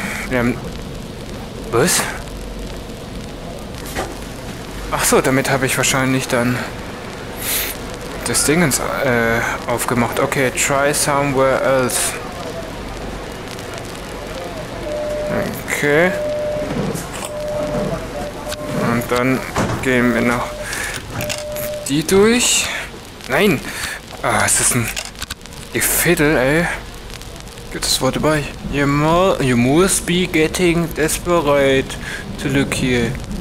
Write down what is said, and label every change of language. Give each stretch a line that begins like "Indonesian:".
German: Wir haben... Was? Ach so, damit habe ich wahrscheinlich dann das Ding ins, aufgemacht.
English: Okay, try somewhere else. Okay.
German: Und dann gehen wir noch die durch. Nein! Ah, ist das ein Gefiddel, ey. Gibt es das Wort dabei?
English: You must be getting desperate to look here.